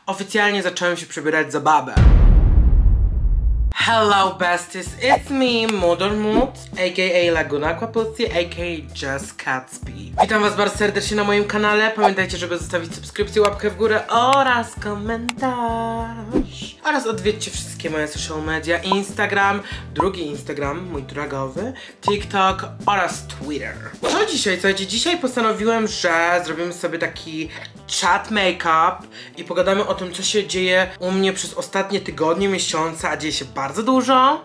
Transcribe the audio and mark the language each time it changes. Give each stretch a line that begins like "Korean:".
Polish: oficjalnie zacząłem się przebierać za babę.
English: Hello besties, it's me, Modern Mood, aka Laguna Aquapussy, aka Just Catsby.
Polish: Witam was bardzo serdecznie na moim kanale, pamiętajcie, żeby zostawić subskrypcję, łapkę w górę oraz komentarz. Oraz odwiedźcie wszystkie moje social media, Instagram, drugi Instagram, mój dragowy, TikTok oraz Twitter. Co dzisiaj, słuchajcie, dzisiaj postanowiłem, że zrobimy sobie taki chat make-up i pogadamy o tym, co się dzieje u mnie przez ostatnie tygodnie, miesiące, a dzieje się bardzo dużo.